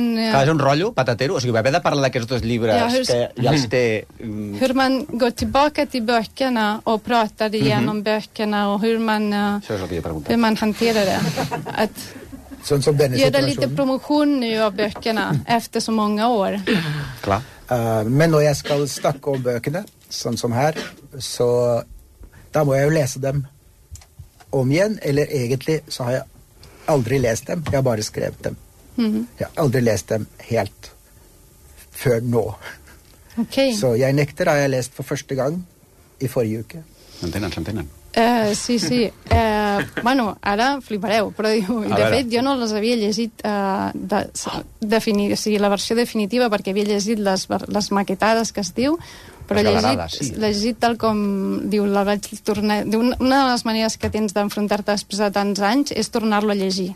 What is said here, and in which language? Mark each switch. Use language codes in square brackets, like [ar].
[ca] Clar, és un rotllo patatero, o sigui, va haver de parlar d'aquests dos llibres que ja els té... [sv] Hur man går tillbaka till böckerna och pratar igenom böckerna och hur man hanterar det. Att göra lite promotion nu av böckerna efter så många år. Klar. Men när jag ska snacka om böckerna, som här, så... [no] Da må jeg jo lese dem om igjen, eller egentlig så har jeg aldri lest dem, jeg har bare skrevet dem. Mm-hmm. Jeg har aldri lest dem helt før nå. Okay. Så Jeg nekter har jeg lest for første gang i forrige uke. Slantinen. [ca] Sí. Bueno, ara flipareu, però de fet jo no les havia llegit la versió definitiva, perquè havia llegit les maquetades, que es diu, però llegit tal com diu, la vaig tornar, una de les maneres que tens d'enfrontar-te després de tants anys és tornar-lo a llegir.